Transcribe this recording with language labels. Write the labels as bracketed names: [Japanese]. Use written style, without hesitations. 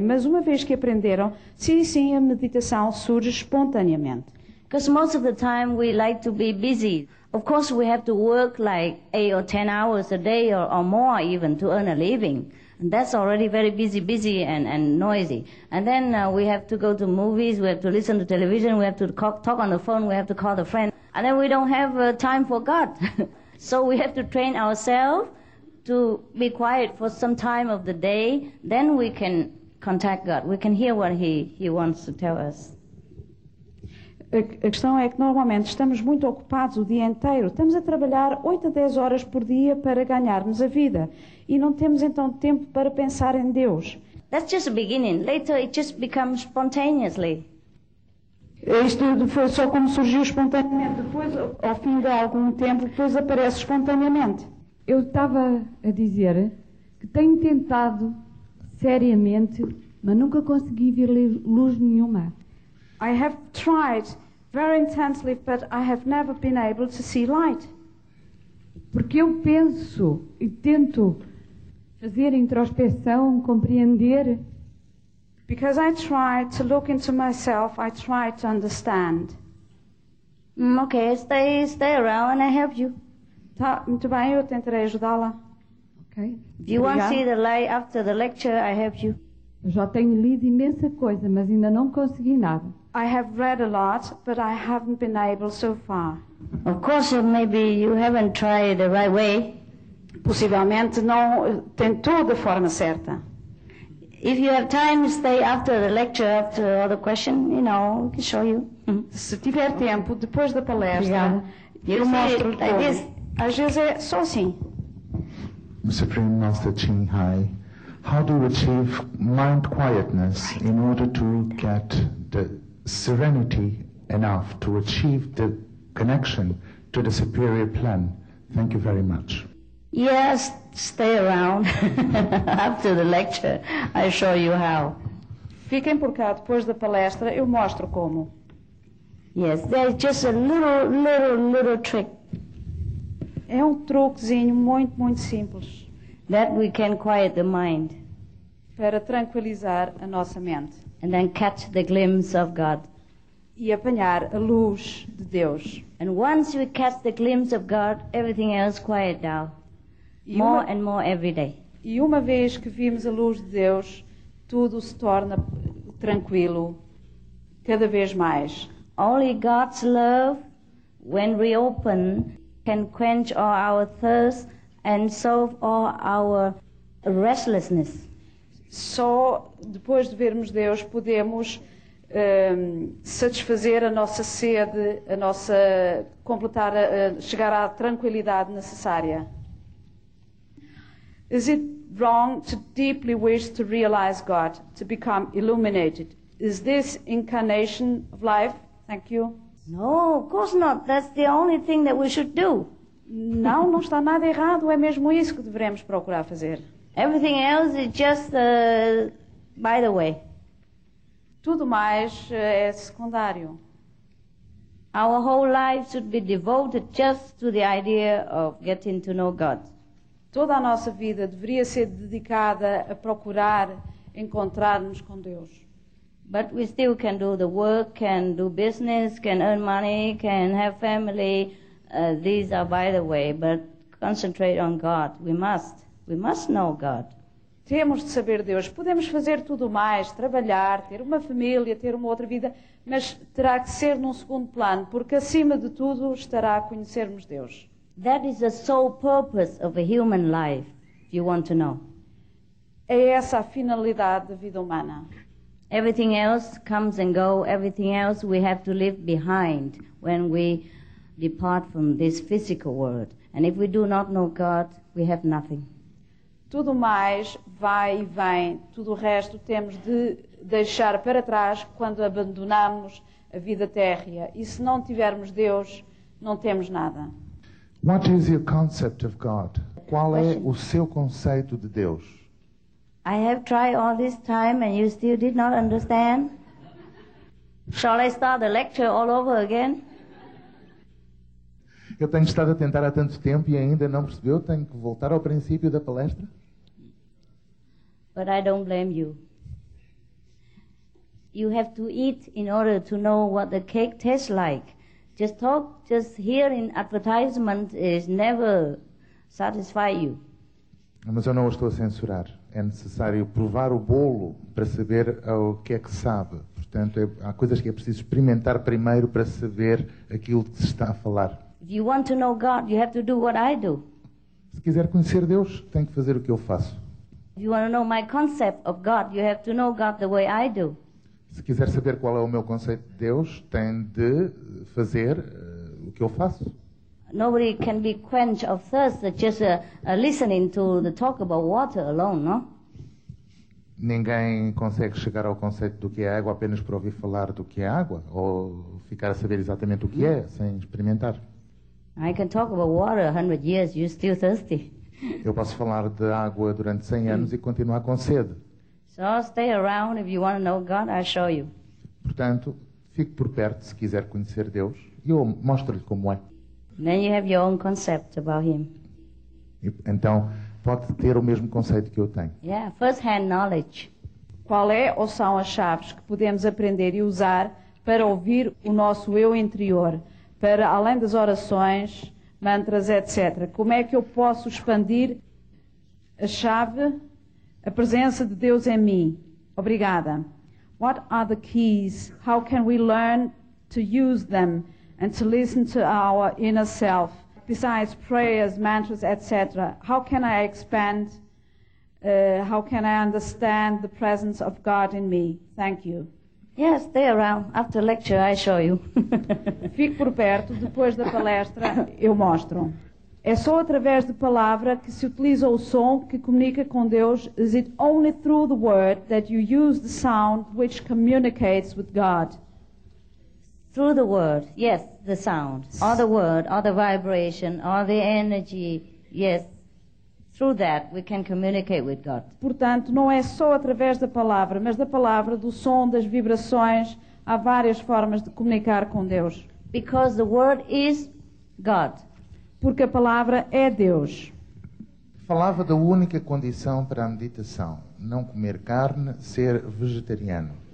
[Portuguese] Mas uma vez que aprenderam, sim, a meditação surge espontaneamente. [English] Because most of the time we like to be busy. Of course we have to work like 8 or 10 hours a day or more even to earn a living. And that's already very busy and noisy. And then we have to go to movies, we have to listen to television, we have to talk on the phone, we have to call the friend. And then we don't have time for God. So we have to train ourselves to be quiet for some time of the day. Then we can contact God. We can hear what he wants to tell us. [Portuguese] A questão é que normalmente estamos muito ocupados o dia inteiro. Estamos a trabalhar 8 a 10 horas por dia para ganharmos a vida. E não temos então tempo para pensar em Deus. [English] That's just the beginning. Later it just becomes spontaneously. [Portuguese] Isto foi só como surgiu espontaneamente. Depois, ao fim de algum tempo, depois aparece espontaneamente. Eu estava a dizer que tenho tentado seriamente, mas nunca consegui ver luz nenhuma. [English] I have tried very intensely, but I have never been able to see light. [Portuguese] Porque eu penso e tento fazer introspeção, compreender. [English] Because I try to look into myself, I try to understand. Okay, stay around and I help you. [Portuguese] Tá, muito bem, eu tentarei ajudá-la. [English] Okay. If you want to see the light after the lecture, I help you. [Portuguese] Já tenho lido imensa coisa, mas ainda não consegui nada. [English] I have read a lot, but I haven't been able so far. Of course, maybe you haven't tried the right way. [Portuguese] Possivelmente não tentou da forma certa. [English] If you have time, stay after the lecture, after all the questions, you know, I can show you. [Portuguese] Se tiver tempo, depois da palestra, eu mostro-lhe. Às vezes é só assim. [English] Supreme Master Ching Hai, how do you achieve mind quietness in order to get the serenity enough to achieve the connection to the superior plan? Thank you very much. Yes, stay around after the lecture. I show you how. [Portuguese] Fiquem por cá depois da palestra, eu mostro como. [English] Yes, there's just a little trick. [Portuguese] É um truquezinho muito, muito simples. [English] That we can quiet the mind. [Portuguese] Para tranquilizar a nossa mente. [English] And then catch the glimpse of God. [Portuguese] E apanhar a luz de Deus. [English] And once we catch the glimpse of God, everything else quiet down. More and more every day. [Portuguese] E uma vez que vimos a luz de Deus, tudo se torna tranquilo, cada vez mais. [English] Only God's love, when we open, can quench all our thirst and solve all our restlessness. [Portuguese] Só depois de vermos Deus podemos satisfazer a nossa sede, a nossa completar, chegar à tranquilidade necessária. [English] Is it wrong to deeply wish to realize God, to become illuminated? Is this incarnation of life? Thank you. No, of course not. That's the only thing that we should do. [Portuguese] Não, não está nada errado. É mesmo isso que devemos procurar fazer. [English] Everything else is just by the way. [Portuguese] Tudo mais é secundário. [English] Our whole life should be devoted just to the idea of getting to know God. [Portuguese] Toda a nossa vida deveria ser dedicada a procurar encontrar-nos com Deus. [English] But we still can do the work, can do business, can earn money, can have family. These are by the way, but concentrate on God. We must know God. [Portuguese] Temos de saber Deus. Podemos fazer tudo mais, trabalhar, ter uma família, ter uma outra vida, mas terá que ser num segundo plano, porque acima de tudo estará a conhecermos Deus. [English] That is the sole purpose of a human life, if you want to know. [Portuguese] É essa a finalidade da vida humana. [English] Everything else comes and goes. Everything else we have to leave behind when we depart from this physical world. And if we do not know God, we have nothing. [Portuguese] Tudo mais vai e vem. Tudo o resto temos de deixar para trás quando abandonamos a vida terrena. E se não tivermos Deus, não temos nada. [English] What is your concept of God? [Portuguese] Qual é o seu conceito de Deus? [English] I have tried all this time and you still did not understand. Shall I start the lecture all over again? [Portuguese] Eu tenho estado a tentar há tanto tempo e ainda não percebeu. Tenho que voltar ao princípio da palestra. [English] But I don't blame you. You have to eat in order to know what the cake tastes like. Just talk, just hearing advertisement is never satisfy you. [Portuguese] Mas eu não o estou a censurar. É necessário provar o bolo para saber o que é que sabe. Portanto, há coisas que é preciso experimentar primeiro para saber aquilo que se está a falar. [English] If you want to know God, you have to do what I do. [Portuguese] Se quiser conhecer Deus, tem que fazer o que eu faço. [English] If you want to know my concept of God, you have to know God the way I do. [Portuguese] Se quiser saber qual é o meu conceito de Deus, tem de fazer o que eu faço. [English] Nobody can be quenched of thirst just listening to the talk about water alone, no? [Portuguese] Ninguém consegue chegar ao conceito do que é água apenas por ouvir falar do que é água ou ficar a saber exatamente o que é sem experimentar. [English] I can talk about water 100 years, you're still thirsty. [Portuguese] Eu posso falar de água durante 100 anos e continuar com sede. [English] So stay around if you want to know God, I'll show you. [Portuguese] Portanto, fique por perto se quiser conhecer Deus e eu mostro-lhe como é. [English] Then you have your own concept about him. [Portuguese] Então, pode ter o mesmo conceito que eu tenho. [English] Yeah, first-hand knowledge. [Portuguese] Qual é ou são as chaves que podemos aprender e usar para ouvir o nosso eu interior, para além das orações, mantras, etc. Como é que eu posso expandir a chave, a presença de Deus em mim? Obrigada. [English] What are the keys? How can we learn to use them? And to listen to our inner self, besides prayers, mantras, etc. How can I expand, how can I understand the presence of God in me? Thank you. Yes, stay around. After lecture, I show you. [Portuguese] Fique por perto. Depois da palestra, eu mostro. É só através de palavra que se utiliza o som que comunica com Deus. [English] Is it only through the word that you use the sound which communicates with God? Through the word, yes, the sound, or the word, or the vibration, or the energy, yes, through that we can communicate with God. [Portuguese] Portanto, não é só através da palavra, mas da palavra, do som, das vibrações, Há várias formas de comunicar com Deus. [English] Because the word is God. [Portuguese] Porque a palavra é Deus. Falava da única condição para a meditação, não comer carne, ser vegetariano.